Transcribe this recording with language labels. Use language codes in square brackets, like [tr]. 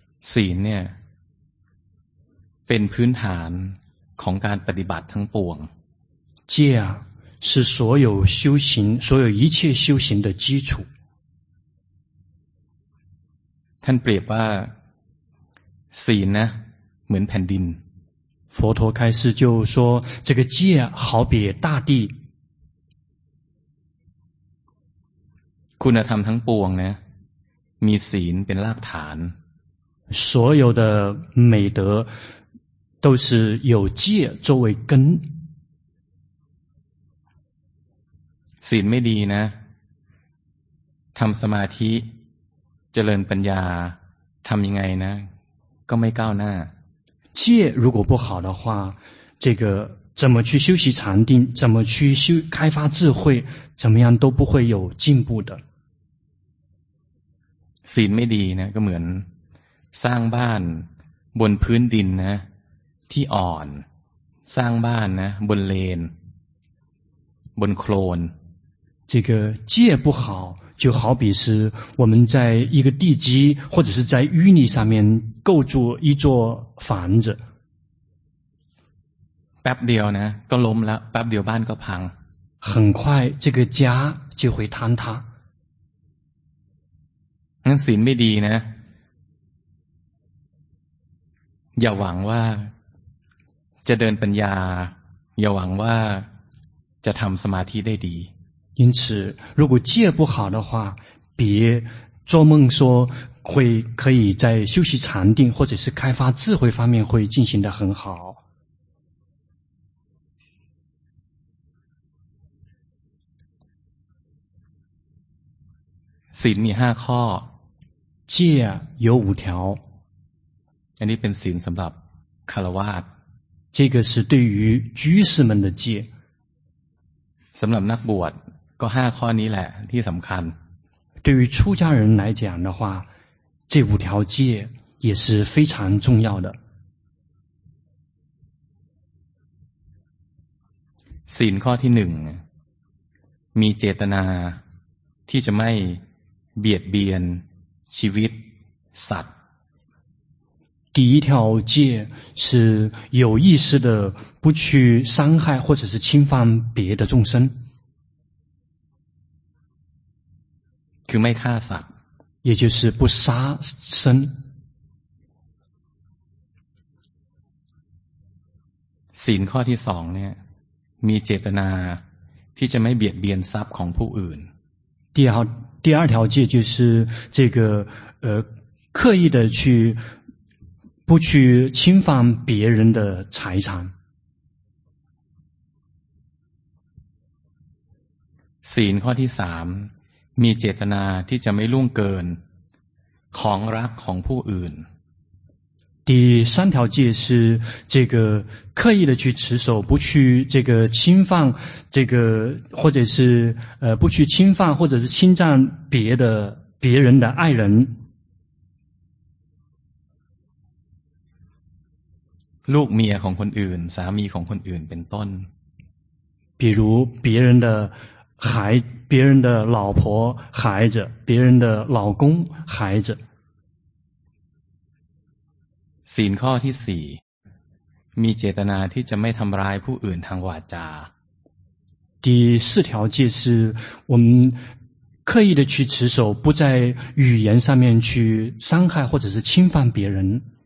[th] ศีลเนี่ยเป็นพื้นฐานของการปฏิบัติทั้งปวง [zh] 戒啊是所有修行所有一切修行的基础 [th] ท่านเปรียบว่าศีลนะเหมือนแผ่นดิน [zh] 佛陀开示就说这个戒好比大地 [th] คุณธรรมทั้งปวงนะมีศีลเป็นรากฐาน [zh] 所有的美德都是有戒作为根 [th] ศีลไม่ดีนะทำสมาธิเจริญปัญญาทำยังไงนะก็ไม่ก้าวหน้า [zh] 戒如果不好的话这个怎么去修习禅定怎么去修开发智慧怎么样都不会有进步的 [th] ศีลไม่ดีนะก็เหมือนสร้างบ้านบนพื้นดินนะที่อ่อนสร้างบ้านนะบนเลนบนโคลน [zh] 这个戒不好就好比是我们在一个地基或者是在淤泥上面构筑一座房子 [th] แป๊บเดียวนะก็ล้มแล้วแป๊บเดียวบ้านก็พัง [zh] 很快这个家就会坍塌 [th] งั้นศีลไม่ดีนะอย่าหวังว่าจะเดินปัญญาอย่าหวังว่าจะทำสมาธิได้ดี [zh] 因此如果戒不好的话别做梦说会可以在修习禅定或者是开发智慧方面会进行得很好 [th] ศีลมี5ข้อ [zh] 戒有5条 [th] อันนี้เป็นศีลสำหรับคารวาส [zh] 这个是对于居士们的戒 [th] สำหรับนักบวชก็5ข้อนี้แหละที่สำคัญ [zh] 对于出家人来讲的话这五条戒也是非常重要的 [th] ศีลข้อที่1มีเจตนาที่จะไม่เบียดเบียนชีวิตสัตว์ [zh] 第一条戒是有意识的不去伤害或者是侵犯别的众生 [th] คือไม่ฆ่าสัตว์ [zh] 也就是不杀生 [th] ศีลข้อที่2เนี่ยมีเจตนาที่จะไม่เบียดเบียนทรัพย์ของผู้อื่น [zh] 第二条戒就是这个刻意的去不去侵犯别人的财产 [th] ศีลข้อที่3มีเจตนาที่จะไม่ล่วงเกินของรักของผู้อื่น [zh] 第三条戒是这个刻意的去持守不去这个侵犯这个或者是不去侵犯或者是侵占别人的爱人 [th] ลูกเมียของคนอื่นสามีของคนอื่นเป็นต้น [zh] 比如别人的孩别人的老婆孩子别人的老公孩子 [th] ศีลข้อที่4มีเจตนาที่จะไม่ทำร้ายผู้อื่นทางวาจา [zh] 第四条戒是我们刻意的去持守不在语言上面去伤害或者是侵犯别人